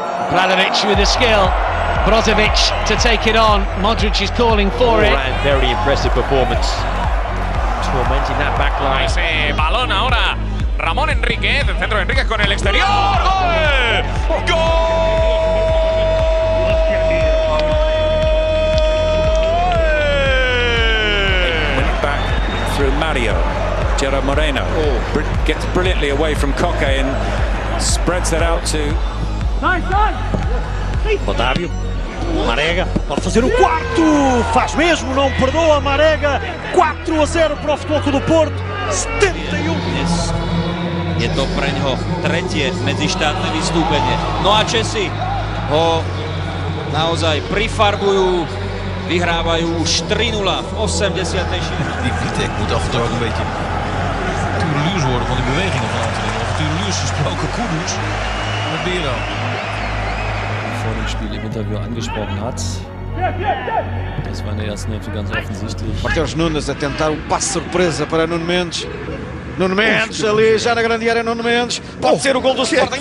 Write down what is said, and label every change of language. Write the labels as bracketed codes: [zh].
[en] Bradovic with the skill, Brozovic to take it on, Modric is calling for it. Very impressive performance, tormenting that back line. [es] Ese balón ahora, Ramón Enríquez, el centro de Enríquez con el exterior, gol! Gol! [en] Back through Mario, Gerard Moreno, gets brilliantly away from Koke and spreads that out to... [pt] Otávio, Marega, pode fazer o quarto, faz mesmo, não perdoa Marega, 4-0 para o Futebol Clube do Porto, 71. [sk] Je to pro něho tretie medzištátne vystúpenie. No a Česi ho naozaj prifarbujú, vyhrávajú už 3-0 v 86. [nl] Die Vitek moet af en toe ook een beetje tureluus worden van die bewegingen van Antonio. Over tureluus gesproken, Kudus met Bero. [de] Spiel im Interview angesprochen hat. Das war in der ersten Hälfte ganz offensichtlich. [pt] Matheus Nunes a tentar um passo surpresa para Nuno Mendes. Nuno Mendes ali já na grande área. Nuno Mendes pode ser o gol do Sporting.